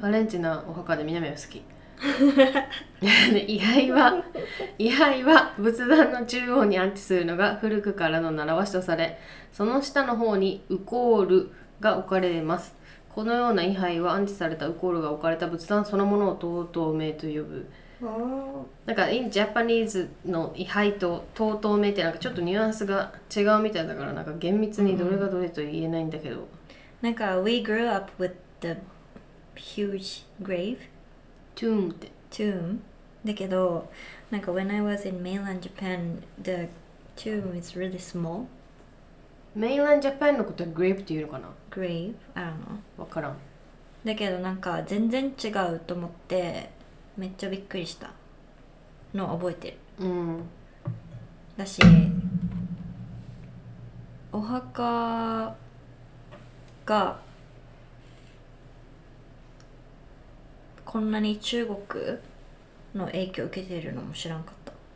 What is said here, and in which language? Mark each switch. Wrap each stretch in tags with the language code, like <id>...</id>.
<ja>アレンジなお墓で南は好き。位牌は仏壇の中央に安置するのが古くからの習わしとされ、その下の方にウコールが置かれます。このような位牌は安置されたウコールが置かれた仏壇そのものをトートーメーと呼ぶ。なんかインジャパニーズの位牌とトートーメーってなんかちょっとニュアンスが違うみたいだから、なんか厳密にどれがどれと言えないんだけど、う</ja> <en>ん、なんか We grew up with theHuge grave? Tomb. Tomb. だけど、なんか when I was in mainland Japan, the tomb is really small.</en> <ja>Mainland Japan のことはグレープって言うのかな。</ja> <en>グレープ、I don't know。</en> <ja>分からん。だけどなんか全然違うと思ってめっちゃびっくりしたの覚えてる。うん。だし、お墓がこんなに中国の影響を受けてるのも知らんかった</ja>